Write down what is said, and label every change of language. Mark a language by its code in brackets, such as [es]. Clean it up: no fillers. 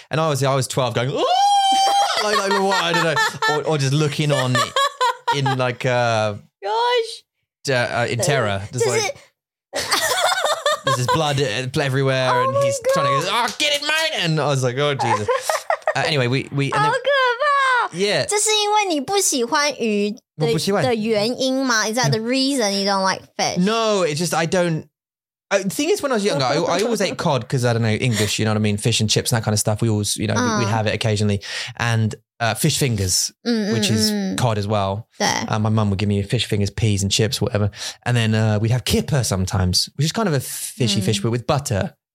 [en] And I was 12 going, ooh! Like what? I don't know. Or just looking on in like, gosh. In terror. Just like, there's this blood everywhere and he's trying to go, oh, get it, mate. And I was like, oh, Jesus. Anyway, we. Oh, good. Yeah. [zh] 这是因为你不喜欢鱼的原因吗? [en] Is that the reason you don't like fish? No, it's just I don't... The thing is, when I was younger, I always ate cod because, I don't know, English, you know what I mean? Fish and chips and that kind of stuff. We always, you know, we have it occasionally. And fish fingers, which is cod as well. My mum would give me fish fingers, peas and chips, whatever. And then we'd have kipper sometimes, which is kind of a fishy fish, but with butter.